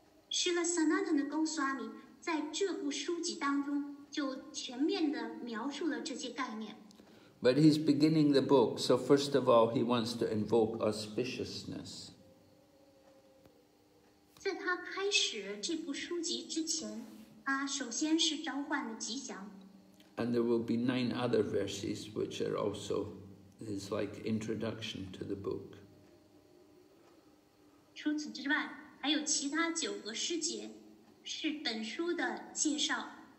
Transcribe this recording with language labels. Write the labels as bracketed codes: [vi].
[zh] Srila Sanatana Goswami 在这部书籍当中就全面地描述了这些概念。 [en] But he's beginning the book, so first of all, he wants to invoke auspiciousness. [zh] 在他开始这部书籍之前，他首先是召唤了吉祥。 [en] And there will be 9 other verses which are also is like introduction to the book. [zh] 除此之外，还有其他九个诗节是本书的介绍。